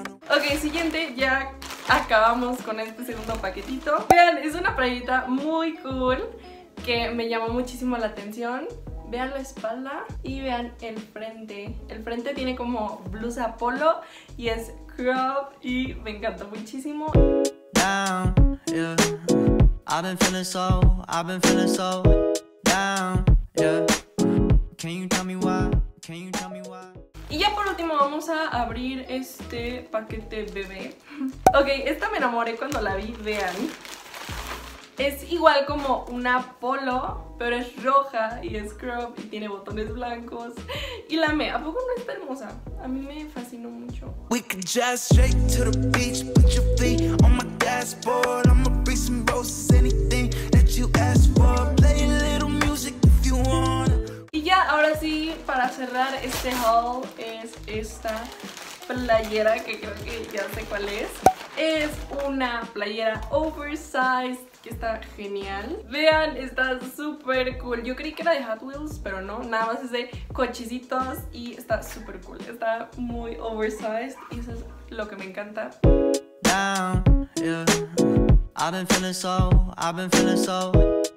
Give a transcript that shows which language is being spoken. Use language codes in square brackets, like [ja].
[es] Ok, siguiente, ya acabamos con este segundo paquetito. Vean, es una playerita muy cool, que me llamó muchísimo la atención. Vean la espalda y vean el frente. El frente tiene como blusa polo y es crop y me encantó muchísimo. [en] Down, yeah. I've been feeling so, I've been feeling so. Down, yeah. Can you tell me why? Can you tell me why? [es] Y ya por último vamos a abrir este paquete bebé. Ok, esta me enamoré cuando la vi, vean. Es igual como una polo, pero es roja y es crop y tiene botones blancos. Y la me, ¿a poco no está hermosa? A mí me fascinó mucho. [en] We could just shake to the beach, put your feet on my dashboard. I'ma bring some roses, anything that you ask for. Play a little music if you wanna. [es] Y ya, ahora sí, para cerrar este haul, es esta playera que creo que ya sé cuál es. Es una playera oversized que está genial. Vean, está súper cool. Yo creí que era de Hot Wheels, pero no. Nada más es de cochecitos y está súper cool. Está muy oversized y eso es lo que me encanta. [en] Down, yeah. I've been feeling so, I've been feeling so.